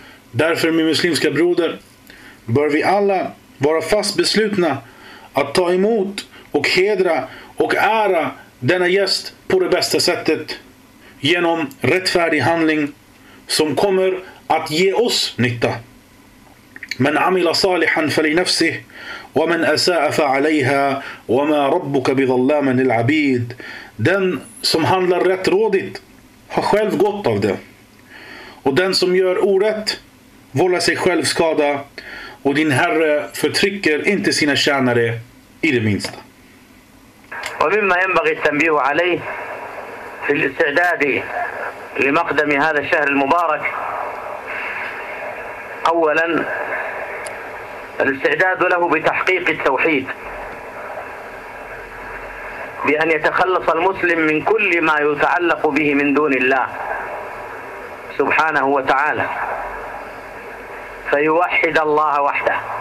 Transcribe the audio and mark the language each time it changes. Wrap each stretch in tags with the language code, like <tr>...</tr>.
<sv>Därför min muslimska broder, bör vi alla vara fast beslutna att ta emot och hedra och ära denna gäst på det bästa sättet genom rättfärdig handling som kommer att ge oss nytta.</sv> <ar>من عمل صالحا فلنفسه ومن أساء فعليها وما ربك بظلام للعبيد.</ar> <sv>Den som handlar rätt rådigt har själv gott av det. Och den som gör orätt vållar sig själv skada. Och din herre förtrycker inte sina tjänare i det minsta.</sv> <ar>ومما ينبغي التنبيه عليه في الاستعداد لمقدم هذا الشهر المبارك أولا الاستعداد له بتحقيق التوحيد بأن يتخلص المسلم من كل ما يتعلق به من دون الله سبحانه وتعالى فيوحد الله وحده</ar>